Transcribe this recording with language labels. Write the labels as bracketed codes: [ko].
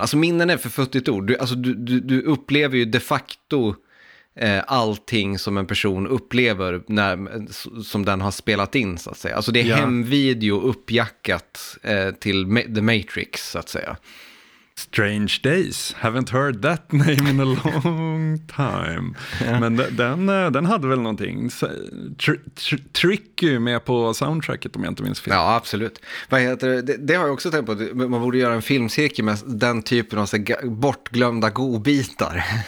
[sv] Alltså minnen är för futtigt ord. Du upplever ju de facto allting som en person upplever när, som den har spelat in, så att säga. Alltså det är hemvideo uppjackat till The Matrix, så att säga. [en] Strange Days. Haven't heard that name in a long time. Yeah. [sv] Men den hade väl någonting. Tricky med på soundtracket, om jag inte minns fel. Ja, absolut. Vad heter det? Det har jag också tänkt på. Man borde göra en filmcirkel med den typen av bortglömda godbitar.